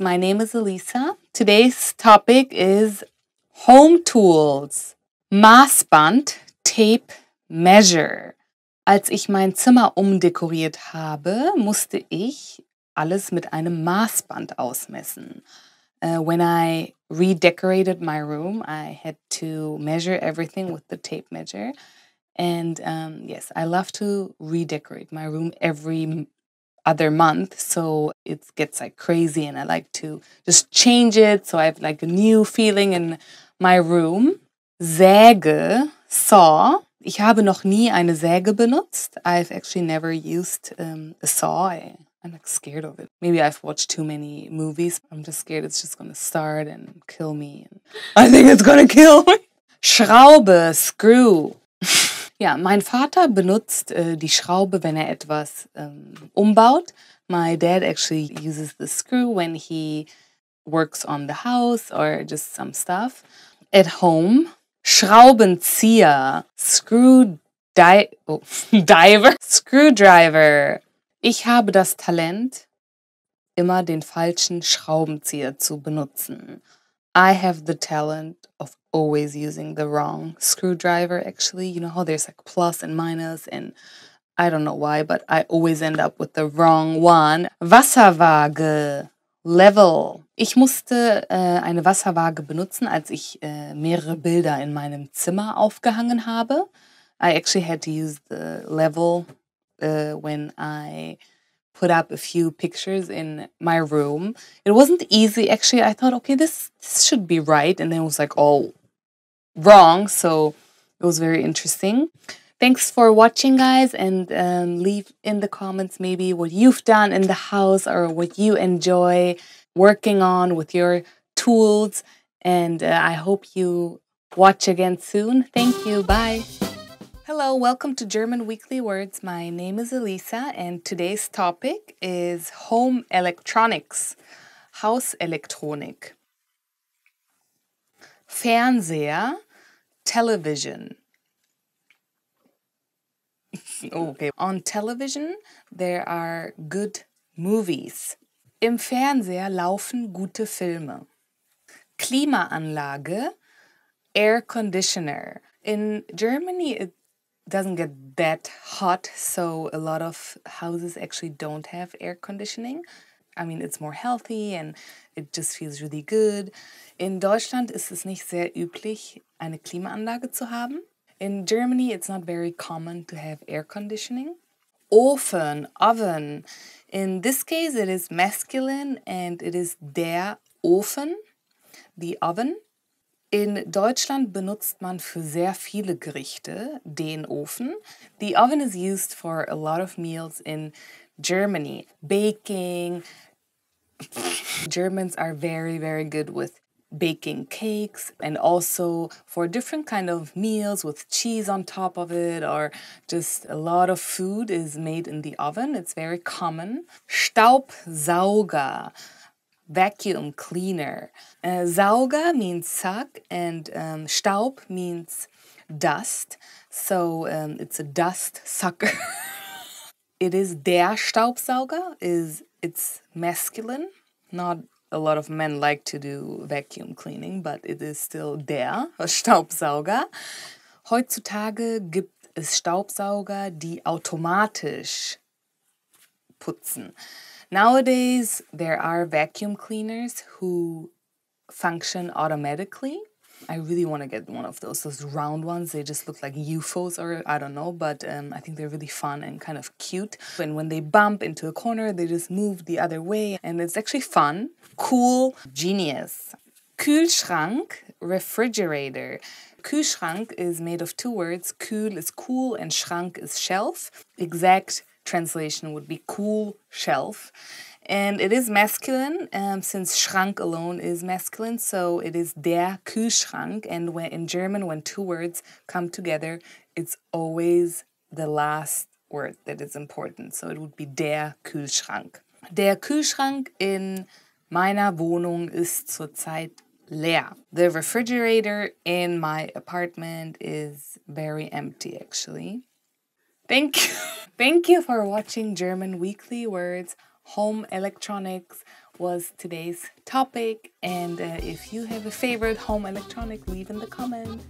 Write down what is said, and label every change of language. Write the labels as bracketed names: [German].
[English] My name is Elisa. Today's topic is home tools. Maßband, Tape, Measure. [German] Als ich mein Zimmer umdekoriert habe, musste ich alles mit einem Maßband ausmessen. [English] When I redecorated my room, I had to measure everything with the tape measure. And yes, I love to redecorate my room every other month, so it gets like crazy, and I like to just change it so I have like a new feeling in my room. Säge, saw. [German] Ich habe noch nie eine Säge benutzt. [English] I've actually never used a saw. I'm like scared of it. Maybe I've watched too many movies. I'm just scared it's just gonna start and kill me. I think it's gonna kill me. Schraube, screw. [German] Ja, mein Vater benutzt die Schraube, wenn er etwas umbaut. [English] My dad actually uses the screw when he works on the house or just some stuff. At home. Schraubenzieher, Screwdriver. [German] Ich habe das Talent, immer den falschen Schraubenzieher zu benutzen. [English] I have the talent of always using the wrong screwdriver, actually. You know how there's like plus and minus, and I don't know why, but I always end up with the wrong one. Wasserwaage. Level. [German] Ich musste eine Wasserwaage benutzen, als ich mehrere Bilder in meinem Zimmer aufgehangen habe. [English] I actually had to use the level when I put up a few pictures in my room. It wasn't easy, actually. I thought, okay, this should be right. And then it was like all wrong. So it was very interesting. Thanks for watching, guys, and leave in the comments maybe what you've done in the house or what you enjoy working on with your tools, and I hope you watch again soon. Thank you. Bye. Hello, welcome to German Weekly Words. My name is Elisa, and today's topic is home electronics, house electronic. Fernseher, television. Okay. On television, there are good movies. [German] Im Fernseher laufen gute Filme. [English] Klimaanlage, air conditioner. In Germany, it doesn't get that hot, so a lot of houses actually don't have air conditioning. I mean, it's more healthy and it just feels really good. [German] In Deutschland ist es nicht sehr üblich, eine Klimaanlage zu haben. [English] In Germany, it's not very common to have air conditioning. Ofen, oven. In this case, it is masculine and it is der Ofen, the oven. [German] In Deutschland benutzt man für sehr viele Gerichte den Ofen. [English] The oven is used for a lot of meals in Germany. Baking. Germans are very, very good with baking cakes and also for different kind of meals with cheese on top of it, or just a lot of food is made in the oven. It's very common. Staubsauger, vacuum cleaner. Sauger means suck and Staub means dust. So it's a dust sucker. It is der Staubsauger, it's masculine. Not a lot of men like to do vacuum cleaning, but it is still der Staubsauger. [German] Heutzutage gibt es Staubsauger, die automatisch putzen. [English] Nowadays, there are vacuum cleaners who function automatically. I really want to get one of those round ones. They just look like UFOs or I don't know, but I think they're really fun and kind of cute. And when they bump into a corner, they just move the other way. And it's actually fun, cool, genius. Kühlschrank, refrigerator. Kühlschrank is made of two words. Kühl is cool and Schrank is shelf. Exact translation would be cool shelf. And it is masculine, since Schrank alone is masculine, so it is der Kühlschrank. And when in German, when two words come together, it's always the last word that is important. So it would be der Kühlschrank. [German] Der Kühlschrank in meiner Wohnung ist zurzeit leer. [English] The refrigerator in my apartment is very empty, actually. Thank you. Thank you for watching German Weekly Words. Home electronics was today's topic, and if you have a favorite home electronic, leave in the comments.